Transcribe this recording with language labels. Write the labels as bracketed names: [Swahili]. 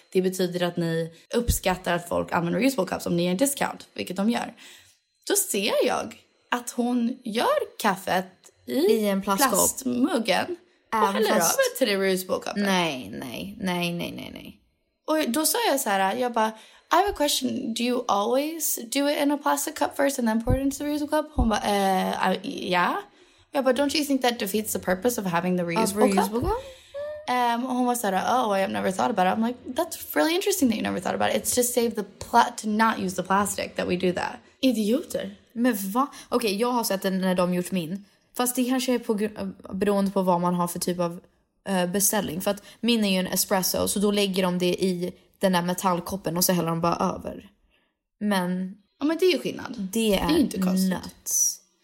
[Swedish] Det betyder att ni uppskattar att folk använder reusable cups om ni ger en discount, vilket de gör. Då ser jag att hon gör kaffet i en plastmuggen och häller av det till det reusable cupen. Nej. Och då sa jag så här, jag bara, [English] I have a question. Do you always do it in a plastic cup first and then pour it into the reusable cup? [Swedish] Hon bara, [English] yeah. Yeah, but don't you think that defeats the purpose of having the reusable cup? [Swedish] Hon bara såhär, [English] oh, I've never thought about it. I'm like, that's really interesting that you never thought about it. It's to save the to not use the plastic that we do that. [Swedish] Idioter. Men va? Okej, jag har sett den när de gjort min. Fast det kanske är beroende på vad man har för typ av beställning. För att min är ju en espresso, så då lägger de det i den där metallkoppen och så häller de bara över. Men... ja, men det är ju skillnad. Det är inte konstigt. Nuts.